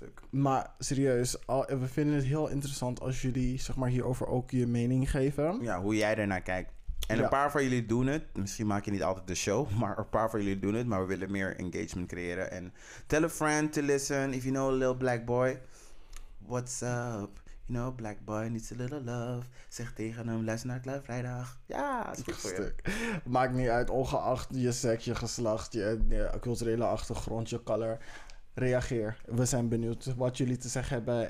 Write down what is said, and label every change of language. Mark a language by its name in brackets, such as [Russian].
[Dutch] Maar serieus, we vinden het heel interessant als jullie zeg maar hierover ook je mening geven. Ja, hoe jij ernaar kijkt. En ja, een paar van jullie doen het. Misschien maak je niet altijd de show, maar een paar van jullie doen het. Maar we willen meer engagement creëren. En [English] tell a friend to listen. If you know a little black boy, what's up? You know, black boy needs a little love. [Dutch] Zeg tegen hem, luister naar het Love Vrijdag. Ja, dat is goed voor je. Maakt niet uit, ongeacht je seks, je geslacht, je culturele achtergrond, je color. Reageer. We zijn benieuwd wat jullie te zeggen hebben.